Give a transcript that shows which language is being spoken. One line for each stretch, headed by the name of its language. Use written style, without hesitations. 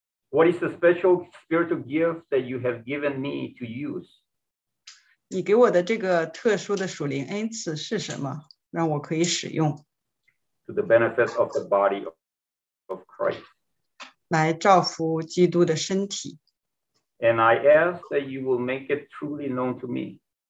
English: what is the special spiritual gift that you have given me to use?
Chinese: 你给我的这个特殊的属灵恩赐是什么? 让我可以使用。
English: To the benefit of the body of Christ.
Chinese: 来造福基督的身体。
English: And I ask that you will make it truly known to me.